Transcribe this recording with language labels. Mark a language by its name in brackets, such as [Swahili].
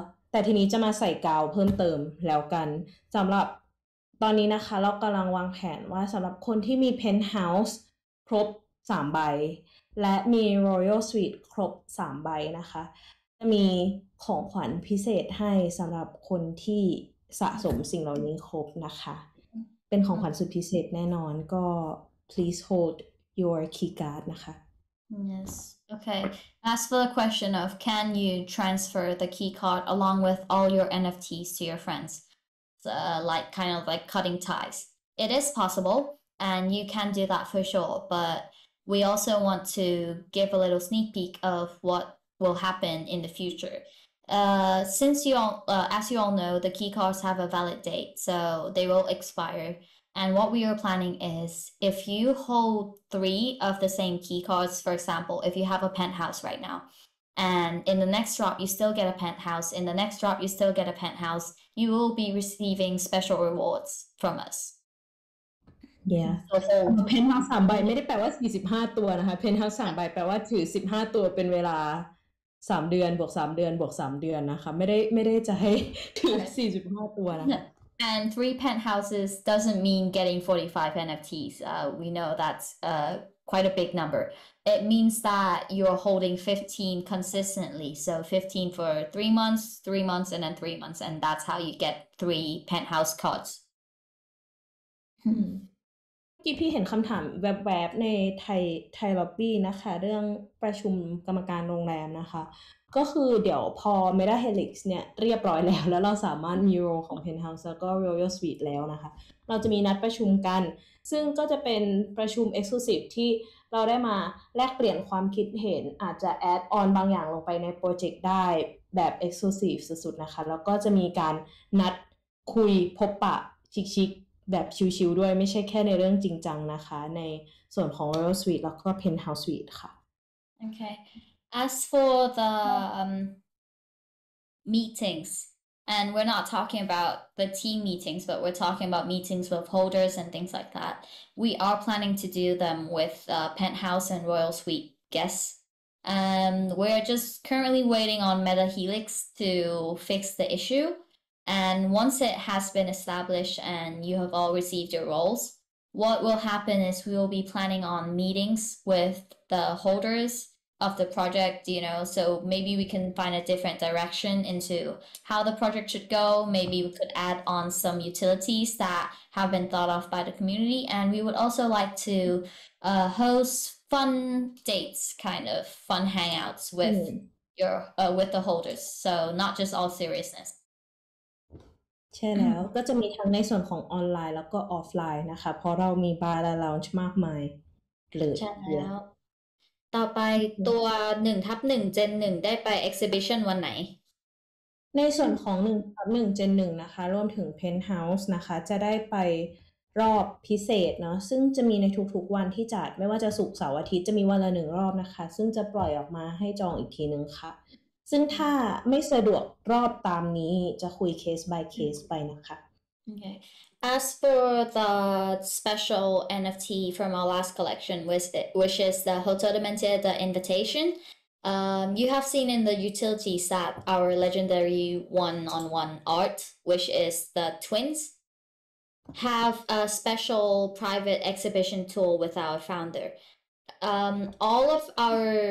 [Thai] แต่ทีนี้จะมาใส่กาวเพิ่มเติมแล้วกันสำหรับตอนนี้นะคะเรากำลังวางแผนว่าสำหรับคนที่มีเพนท์เฮาส์ครบ3ใบและมี Royal Suite ครบ3ใบนะคะจะมีของขวัญพิเศษให้สำหรับคนที่สะสมสิ่งเหล่านี้ครบนะคะเป็นของขวัญสุดพิเศษแน่นอนก็ [English] please hold your key card [Thai] นะคะ [English] yes okay as for the question of can you transfer the key card along with all your NFTs to your friends like kind of like cutting ties it is possible and you can do that for sure but we also want to give a little sneak peek of what will happen in the futureSince you all, as you all know, the key cards have a valid date, so they will expire. And what we are planning is, if you hold 3 of the same key cards, for example, if you have a penthouse right now, and in the next drop you still get a penthouse, in the next drop you still get a penthouse, you will be receiving special rewards from us. Yeah. [Thai] So, penthouse 3 ใบไม่ได้แปลว่า45ตัวนะคะ penthouse 3ใบแปลว่าถือ15ตัวเป็นเวลา3เดือนบวก3เดือนบวก3เดือนนะคะไม่ได้จะให้ถึง45ตัวนะ [English] And 3 penthouses doesn't mean getting 45 NFTs. We know that's quite a big number. It means that you're holding 15 consistently. So 15 for 3 months, 3 months and then 3 months and that's how you get 3 penthouse cards. [Thai] กี้พี่เห็นคำถามแวบๆในไทยล็อบบี้นะคะเรื่องประชุมกรรมการโรงแรมนะคะก็คือเดี๋ยวพอ Meta Helix เนี่ยเรียบร้อยแล้วแล้วเราสามารถมีโรของ Penthouse แล้วก็ Royal Suite แล้วนะคะเราจะมีนัดประชุมกันซึ่งก็จะเป็นประชุม Exclusive ที่เราได้มาแลกเปลี่ยนความคิดเห็นอาจจะ Add on บางอย่างลงไปในโปรเจกต์ได้ แบบ Exclusive สุดๆนะคะแล้วก็จะมีการนัดคุยพบปะชิกๆแบบชิวๆด้วยไม่ใช่แค่ในเรื่องจริงจังนะคะในส่วนของ Royal Suite แล้วก็ Penthouse Suite ค่ะ [English] โอเค As for the meetings and we're not talking about the team meetings but we're talking about meetings with holders and things like that we are planning to do them with Penthouse and Royal Suite guests we're just currently waiting on Meta Helix to fix the issueAnd once it has been established and you have all received your roles, what will happen is we will be planning on meetings with the holders of the project, you know, so maybe we can find a different direction into how the project should go. Maybe we could add on some utilities that have been thought of by the community. And we would also like to host fun dates, kind of fun hangouts with with the holders. So not just all seriousness. [Thai] ใช่แล้วก็จะมีทั้งในส่วนของออนไลน์แล้วก็ออฟไลน์นะคะเพราะเรามีบาร์และลอนจ์มากมายเลย ใช่แล้วต่อไปตัว 1/1 Gen 1ได้ไป exhibition วันไหน ในส่วนของ 1/1 Gen 1นะคะรวมถึง Penthouse นะคะจะได้ไปรอบพิเศษเนาะซึ่งจะมีในทุกๆวันที่จัดไม่ว่าจะศุกร์เสาร์อาทิตย์จะมีวันละ1รอบนะคะซึ่งจะปล่อยออกมาให้จองอีกทีนึงค่ะซึ่งถ้าไม่สะดวกรอบตามนี้จะคุย case by case ไปนะคะ [English] Okay. As for the special NFT from our last collection which is the Hotel Dementia the invitation you have seen in the utilities that our legendary one-on-one art which is the twins have a special private exhibition tool with our founder all of our